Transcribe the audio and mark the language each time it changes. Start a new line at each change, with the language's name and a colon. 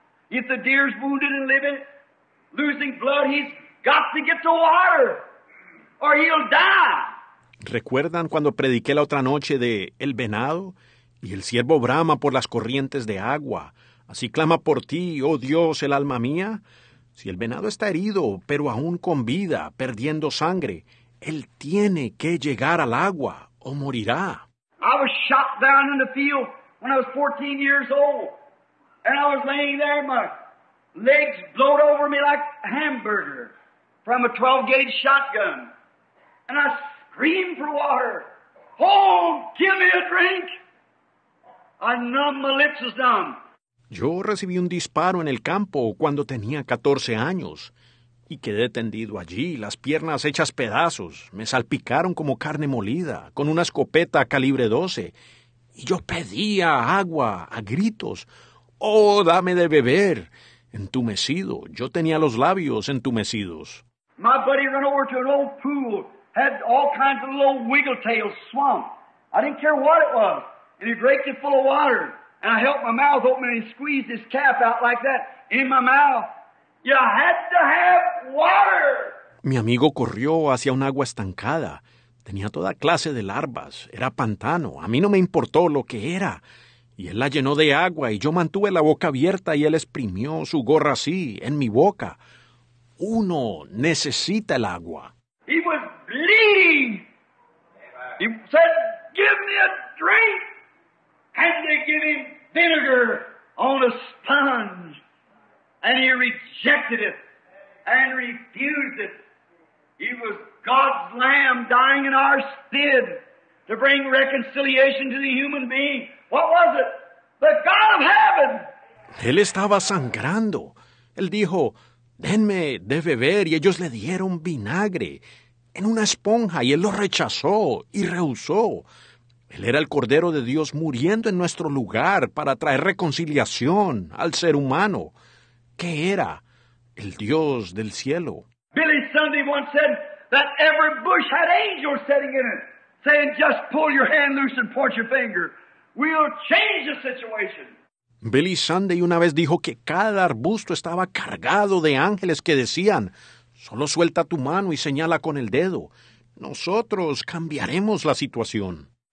English: If the deer's wounded and living, losing blood, he's got to get the water, or he'll die.
Spanish: ¿Recuerdan cuando prediqué la otra noche de el venado? Y el siervo brama por las corrientes de agua. Así clama por ti, oh Dios, el alma mía. Si el venado está herido, pero aún con vida, perdiendo sangre, él tiene que llegar al agua o morirá.
English: I was shot down in the field when I was 14 years old. And I was laying there, my legs blowed over me like a hamburger from a 12-gauge shotgun. And I screamed for water. Oh, give me a drink. I numb my lips as numb.
Spanish: Yo recibí un disparo en el campo cuando tenía 14 años y quedé tendido allí, las piernas hechas pedazos. Me salpicaron como carne molida con una escopeta calibre 12 y yo pedía agua a gritos. ¡Oh, dame de beber! Entumecido, yo tenía los labios entumecidos.
English: My buddy ran over to an old pool, had all kinds of little wiggletail swamp. I didn't care what it was, and he raked it full of water. And I held my mouth open and he squeezed his cap out like that in my mouth. You had to have water.
Spanish: Mi amigo corrió hacia un agua estancada. Tenía toda clase de larvas. Era pantano. A mí no me importó lo que era. Y él la llenó de agua y yo mantuve la boca abierta y él exprimió su gorra así en mi boca. Uno necesita el agua.
English: He was bleeding. He said, give me a drink. And they give him vinegar on a sponge. And he rejected it and refused it. He was God's lamb dying in our stead to bring reconciliation to the human being. What was it? The God of heaven.
Spanish: Él estaba sangrando. Él dijo, denme de beber. Y ellos le dieron vinagre en una esponja. Y él lo rechazó y rehusó. Él era el Cordero de Dios muriendo en nuestro lugar para traer reconciliación al ser humano. ¿Qué era? El Dios del cielo.
English: Billy Sunday once said that every bush had angels sitting in it, saying, just pull your hand loose and point your finger. We'll change the situation.
Spanish: Billy Sunday una vez dijo que cada arbusto estaba cargado de ángeles que decían, solo suelta tu mano y señala con el dedo. Nosotros cambiaremos la situación.